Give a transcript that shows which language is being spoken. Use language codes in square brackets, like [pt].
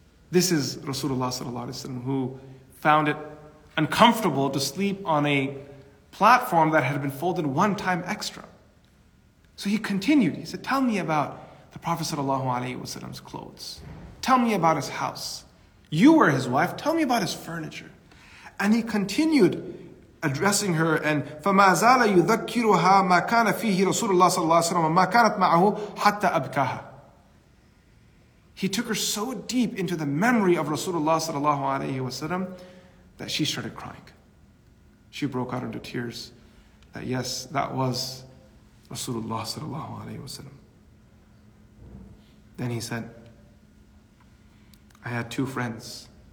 [en] This is Rasulullah sallallahu alaihi wasallam, who found it uncomfortable to sleep on a platform that had been folded one time extra. So he continued. He said, tell me about the Prophet sallallahu alaihi wasallam's clothes. Tell me about his house. You were his wife. Tell me about his furniture. And he continued addressing her, and [ar] فَمَا زَالَ يُذَكِّرُهَا مَا كَانَ فِيهِ رَسُولُ اللَّهِ صَلَّى اللَّهُ عَلَيْهِ وَسَلَّمَ مَا كَانَتْ مَعَهُ حَتَّى أَبْكَاهَا. [en] He took her so deep into the memory of Rasulullah sallallahu alayhi wa sallam that she started crying. She broke out into tears that yes, that was Rasulullah sallallahu alayhi wa sallam. Then he said, I had two friends.